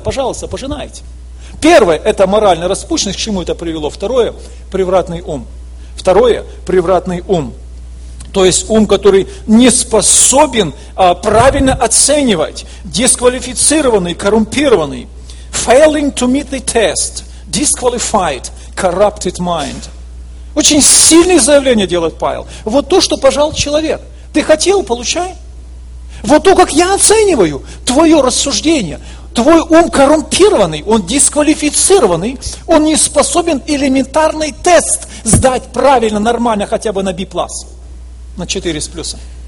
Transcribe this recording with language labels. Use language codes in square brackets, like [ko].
[ru] Пожалуйста, пожинайте. Первое, это моральная распущенность, к чему это привело. Второе, превратный ум. Второе, превратный ум. То есть ум, который не способен правильно оценивать, дисквалифицированный, коррумпированный. [en] Failing to meet the test, disqualified, corrupted mind. [ru] Очень сильное заявление делает Павел. Вот то, что пожал человек. Ты хотел, получай. Вот то, как я оцениваю твое рассуждение. Твой ум коррумпированный, он дисквалифицированный, он не способен элементарный тест сдать правильно, нормально, хотя бы на B+. На 4 с плюсом.